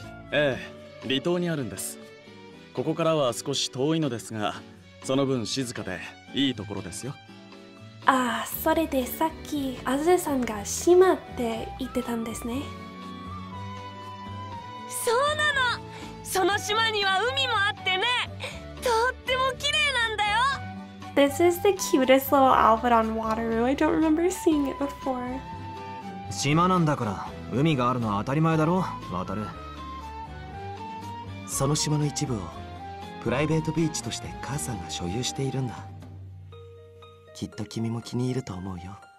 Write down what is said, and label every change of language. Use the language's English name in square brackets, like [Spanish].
[Japanese] ええ、離島にあるんです。ここからは少し遠いのですが、その分静かでいいところですよ。ああ、それでさっきアズさんが島って言ってたんですね。そうなの。その島には海もあってね、とっても綺麗なんだよ。 [English] This is the cutest little outfit on water. I don't remember seeing it before. [Japanese] 島なんだから海があるのは当たり前だろ、渡る。その島の一部をプライベートビーチとして母さんが所有しているんだ。きっと君も気に入ると思うよ。